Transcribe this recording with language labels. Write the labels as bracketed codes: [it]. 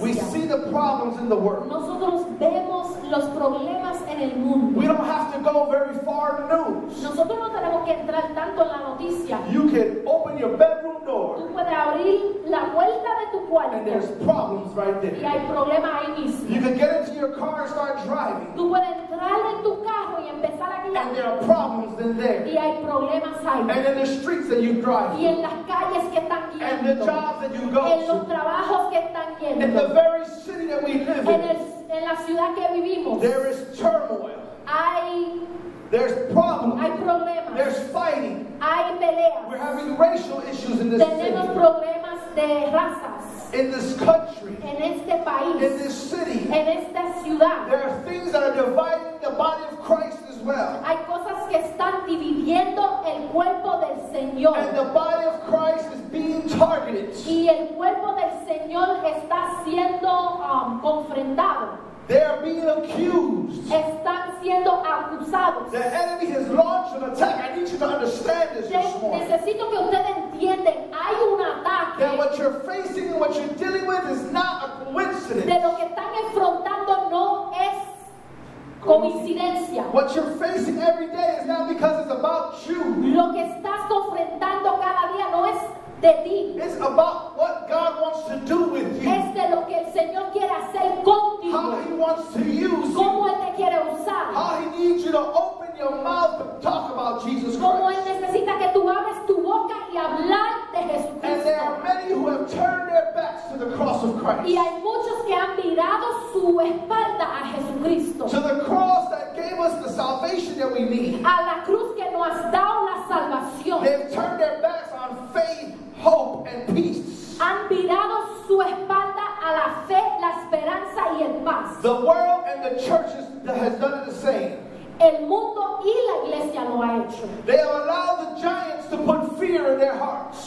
[en] We see the problems in the world. [es] Nosotros vemos los problemas en el mundo. [en] We don't have to go very far in the news. [es] Nosotros no tenemos que entrar tanto en la noticia. [en] You can open your bedroom door. [es] Tú puedes abrir la puerta de tu cuarto. [en] And there's problems right there. [es] Y hay problemas ahí mismo. [en] You can get into your car and start driving. [es] Tú puedes entrar en tu carro y empezar a guiar. [en] And there are problems in there. [es] Y hay problemas ahí. [en] And in the streets that you drive. [es] Y en las calles que están yendo. [en] And the jobs that you go [es] en los trabajos que están yendo. [en] In the very city that we live in. [es] En la ciudad que vivimos. [en] There is turmoil. There's problems. [es] Hay problemas. [en] There's fighting. [es] Hay peleas. [en] We're having racial issues in this [es] tenemos Tenemos problemas de razas. [en] In this country. [es] En este país. [en] In this city. [es] En esta ciudad. [en] There are things that are dividing the body of Christ as well. [es] Hay cosas que están dividiendo el cuerpo del Señor. [en] And the body of Christ is being targeted. [es] Y el cuerpo del Señor está siendo confrontado. [en] They are being accused. [es] Están siendo acusados. [en] The enemy has launched an attack. I need you to understand this this morning. [es] Necesito que ustedes entiendan. Hay un ataque. [en] That what you're facing and what you're dealing with is not a coincidence. [es] De lo que están enfrentando no es coincidencia. [en] What you're facing every day is not because it's about you. [es] Lo que estás enfrentando cada día no es de ti. [en] It's about what God wants to do with you. [es] Es de lo que el Señor quiere hacer contigo. [en] How he wants to use you. [es] Cómo él te quiere usar. [en] How he needs you to open your mouth to talk about Jesus Christ. [es] Cómo él necesita que tú abres tu boca y hablar de Jesucristo. [en] And there are many who have turned their backs to the cross of Christ. [es] Y hay muchos que han mirado su espalda a Jesucristo. [en] To the cross that gave us the salvation that we need. [es] A la cruz que nos ha dado la salvación. [en] They've turned their backs on faith, hope, and peace. [es] Han virado su espalda a la fe, la esperanza y el paz. [en] The world and the church has done it the same. [es] El mundo y la iglesia lo ha hecho. [en] They have allowed the giants to put fear in their hearts.